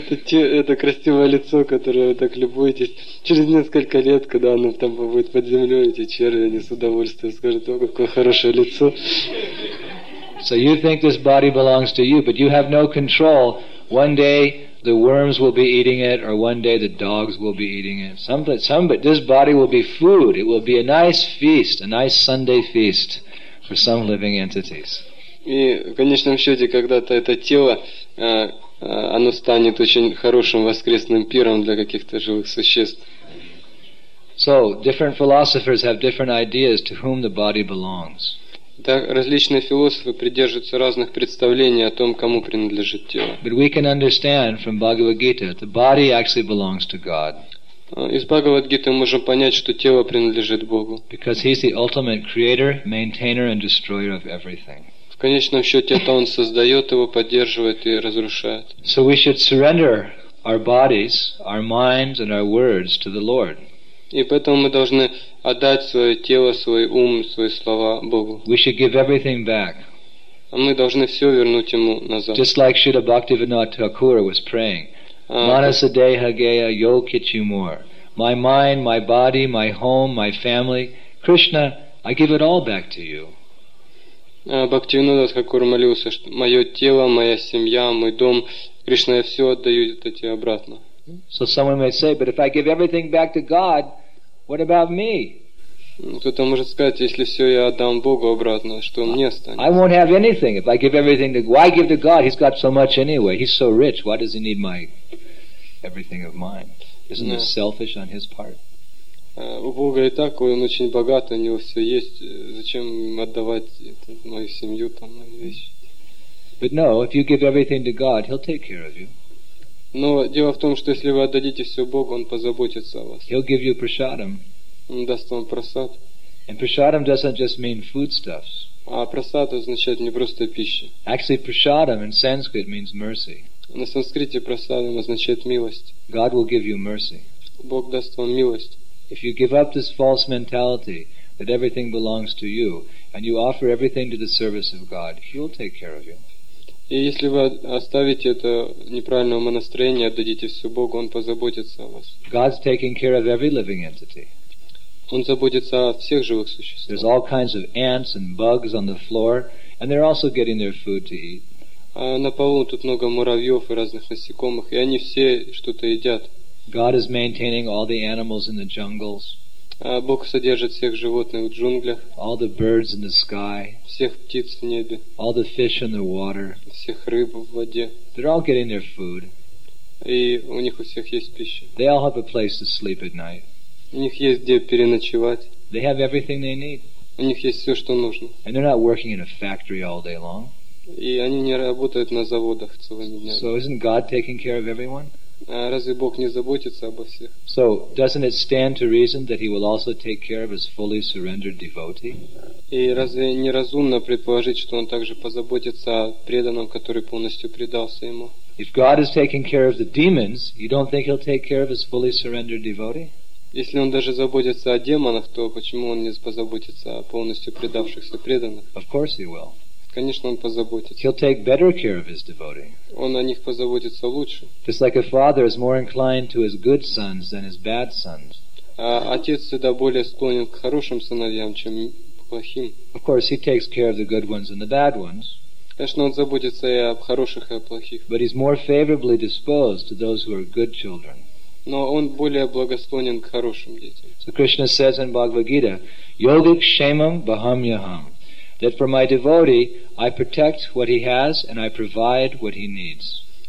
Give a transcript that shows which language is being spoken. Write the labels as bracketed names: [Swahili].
[Russian] Это красивое лицо, которое вы так любуетесь. Через несколько лет, когда оно там будет под землей, эти черви, они с удовольствием скажут: о, какое хорошее лицо. [English] So you think this body belongs to you, but you have no control. One day the worms will be eating it, or one day the dogs will be eating it. But this body will be food. It will be a nice feast, a nice Sunday feast for some living entities. [Russian] И в конечном счете, когда-то это тело, оно станет очень хорошим воскресным пиром для каких-то живых существ. [English] So, different philosophers have different ideas to whom the body belongs. [Russian] Так, различные философы придерживаются разных представлений о том, кому принадлежит тело. [English] But we can understand from Bhagavad-gita that the body actually belongs to God. [Russian] Из Бхагавад-гиты мы можем понять, что тело принадлежит Богу. [English] Because he's the ultimate creator, maintainer and destroyer of everything. [Russian] В конечном счете, это он создает его, поддерживает и разрушает. [English] So we should surrender our bodies, our minds and our words to the Lord. [Russian] И поэтому мы должны отдать свое тело, свой ум, свои слова Богу. [English] We should give everything back. [Russian] А мы должны все вернуть ему назад. [English] Just like Shrila Bhaktivinoda Thakur was praying. [Bangla] Manasa deha geya yo kichimor. [English] My mind, my body, my home, my family. Krishna, I give it all back to you. [Russian] Бхактивинода Тхакур молился, что мое тело, моя семья, мой дом. Кришна, я все отдаю это тебе обратно. [English] So someone may say, but if I give everything back to God, what about me? [Russian] Кто-то может сказать, если все я отдам Богу обратно, что мне останется? [English] I won't have anything if I give everything to God. Why give to God? He's got so much anyway. He's so rich. Why does he need my everything of mine? Isn't this selfish on his part? [Russian] У Бога и так он очень богат, у него все есть. Зачем отдавать мою семью там, мои вещи? [English] But no, if you give everything to God, he'll take care of you. [Russian] Но дело в том, что если вы отдадите все Богу, Он позаботится о вас. [English] He'll give you prasadam. [Russian] Он даст вам прасад. [English] And prasadam doesn't just mean foodstuffs. [Russian] А прасад означает не просто пища. [English] Actually, prasadam in Sanskrit means mercy. [Russian] На санскрите прасадам означает милость. [English] God will give you mercy. [Russian] Бог даст вам милость. [English] If you give up this false mentality that everything belongs to you and you offer everything to the service of God, He'll take care of you. [Russian] И если вы оставите это неправильное умонастроение, отдадите все Богу, Он позаботится о вас. [English] God's taking care of every living entity. [Russian] Он заботится о всех живых существах. [English] There's all kinds of ants and bugs on the floor, and they're also getting their food to eat. [Russian] А на полу тут много муравьев и разных насекомых, и они все что-то едят. [English] God is maintaining all the animals in the jungles. [Russian] Бог содержит всех животных в джунглях. [English] All the birds in the sky. [Russian] Всех птиц в небе. [English] All the fish in the water. [Russian] Всех рыб в воде. [English] They're all getting their food. [Russian] И у них у всех есть пища. [English] They all have a place to sleep at night. [Russian] У них есть где переночевать. [English] They have everything they need. [Russian] У них есть все, что нужно. [English] And they're not working in a factory all day long. [Russian] И они не работают на заводах целыми днями. [English] So isn't God taking care of everyone? [Russian] Разве Бог не заботится обо всех? [English] So, doesn't it stand to reason that he will also take care of his fully surrendered devotee? [Russian] И разве неразумно предположить, что он также позаботится о преданном, который полностью предался ему? [English] If God is taking care of the demons, you don't think he'll take care of his fully surrendered devotee? [Russian] Если он даже заботится о демонах, то почему он не позаботится о полностью предавшихся преданных? [English] Of course he will. [Russian] Конечно, он позаботится. [English] He'll take better care of his devotee. [Russian] Он о них позаботится лучше. [English] Just like a father is more inclined to his good sons than his bad sons. [Russian] Отец всегда более склонен к хорошим сыновьям, чем плохим. [English] Of course, he takes care of the good ones and the bad ones. [Russian] Конечно, он заботится и об хороших, и о плохих. [English] But he's more favorably disposed to those who are good children. [Russian] Но он более благосклонен к хорошим детям. [English] So Krishna says in Bhagavad Gita, [Sanskrit] Yogik Shemam Bahamyaham. [English] That for my devotee, I protect what he has and I provide what he needs.